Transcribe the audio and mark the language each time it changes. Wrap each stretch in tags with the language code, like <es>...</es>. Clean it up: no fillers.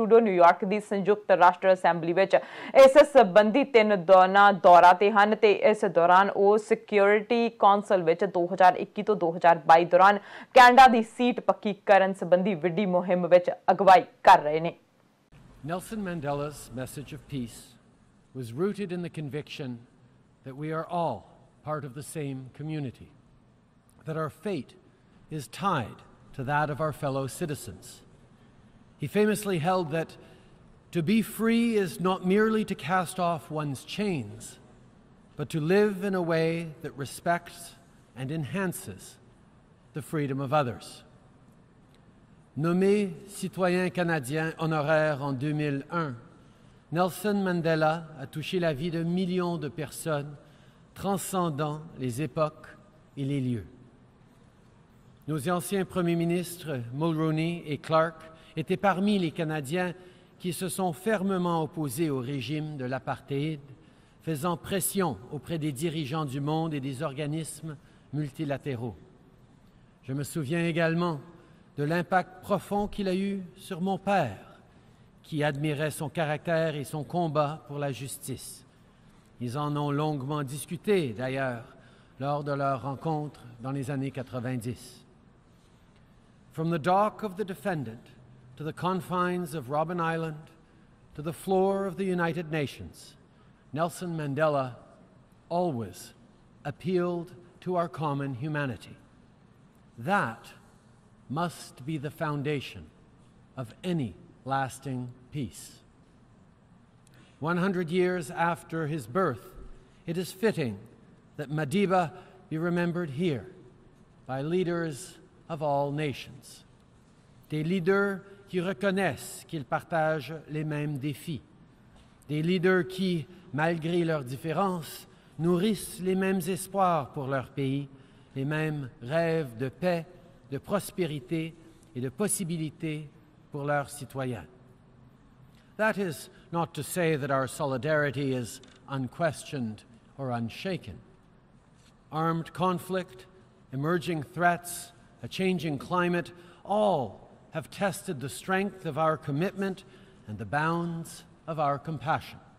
<pa>Trudeau New York ਦੀ ਸੰਯੁਕਤ ਰਾਸ਼ਟਰ assembly ਵਿੱਚ ਇਸ ਸੰਬੰਧੀ ਤਿੰਨ ਦੌਰਾ ਦੌਰਾ ਤੇ ਹਨ ਤੇ ਇਸ ਦੌਰਾਨ ਉਹ ਸਿਕਿਉਰਿਟੀ ਕੌਂਸਲ ਵਿੱਚ 2021 ਤੋਂ 2022 ਦੌਰਾਨ ਕੈਨੇਡਾ ਦੀ ਸੀਟ ਪੱਕੀ ਕਰਨ ਸੰਬੰਧੀ ਵੱਡੀ ਮੁਹਿੰਮ ਵਿੱਚ ਅਗਵਾਈ ਕਰ ਰਹੇ ਨੇ।</pa> <en>Nelson Mandela's message of peace was rooted in the conviction that we are all part of the same community, that our fate is tied to that of our fellow citizens. He famously held that to be free is not merely to cast off one's chains, but to live in a way that respects and enhances the freedom of others.</en> <fr>Nommé citoyen canadien honoraire en 2001, Nelson Mandela a touché la vie de millions de personnes, transcendant les époques et les lieux. Nos anciens premiers ministres Mulroney et Clark étaient parmi les Canadiens qui se sont fermement opposés au régime de l'apartheid, faisant pression auprès des dirigeants du monde et des organismes multilatéraux. Je me souviens également de l'impact profond qu'il a eu sur mon père, qui admirait son caractère et son combat pour la justice. Ils en ont longuement discuté, d'ailleurs, lors de leur rencontre dans les années 90.</fr> <en>From the dock of the defendant to the confines of Robben Island to the floor of the United Nations, Nelson Mandela always appealed to our common humanity. That must be the foundation of any lasting peace. 100 years after his birth, it is fitting that Madiba be remembered here by leaders of all nations,</en> <fr>des leaders qui reconnaissent qu'ils partagent les mêmes défis, des leaders qui, malgré leurs différences, nourrissent les mêmes espoirs pour leur pays, les mêmes rêves de paix, de prospérité et de possibilités pour leurs citoyens.</fr> <en>That is not to say that our solidarity is unquestioned or unshaken. Armed conflict, emerging threats, a changing climate, all have tested the strength of our commitment and the bounds of our compassion.</en>